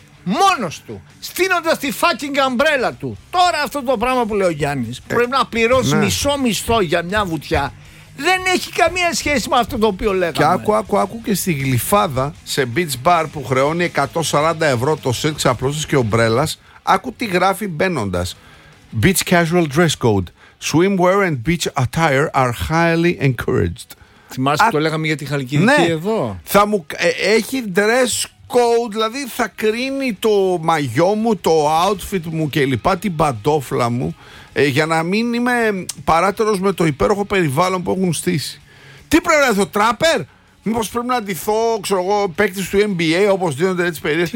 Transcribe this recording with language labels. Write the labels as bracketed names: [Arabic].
[Greek] Μόνος του, στείνοντας τη [English] fucking umbrella [Greek] του. Τώρα αυτό το πράγμα που λέει ο Γιάννης, που πρέπει να πληρώσει μισό μισθό για μια βουτιά, δεν έχει καμία σχέση με αυτό το οποίο λέγαμε. Και άκου και στη Γλυφάδα, σε beach bar που χρεώνει 140 ευρώ το σετ ξαπλώσεις και ομπρέλας, άκου τι γράφει μπαίνοντας. [English] Beach casual dress code. Swimwear and beach attire are highly encouraged. [Greek] Θυμάσαι που το λέγαμε για τη Χαλκιδική εδώ. Θα μου, έχει dress code. Δηλαδή θα κρίνει το μαγιό μου, το outfit μου και λοιπά, την παντόφλα μου, για να μην είμαι παράτερος με το υπέροχο περιβάλλον που έχουν στήσει. Τι πρέπει να δω, τράπερ? Μήπως πρέπει να ντυθώ, ξέρω εγώ, παίκτης του NBA, όπως δίνονται έτσι περίεργα?